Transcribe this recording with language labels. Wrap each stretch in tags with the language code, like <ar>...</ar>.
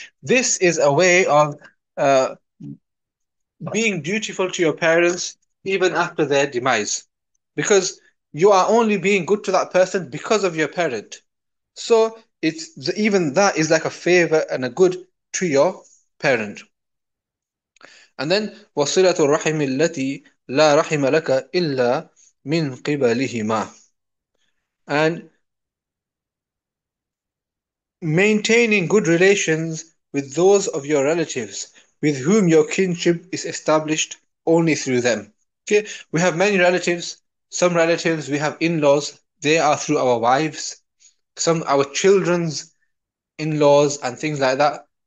<en>This is a way of being dutiful to your parents even after their demise, because you are only being good to that person because of your parent. So it's even that is like a favor and a good to your parent.</en> <ar>And then وَصِلَةُ الرَّحِمِ الَّتِي لَا رَحِمَ لَكَ إِلَّا مِنْ قِبَلِهِمَا.</ar> <en>And maintaining good relations with those of your relatives with whom your kinship is established only through them. Okay, we have many relatives. Some relatives we have in-laws, they are through our wives, some our children's in-laws and things like that.</en>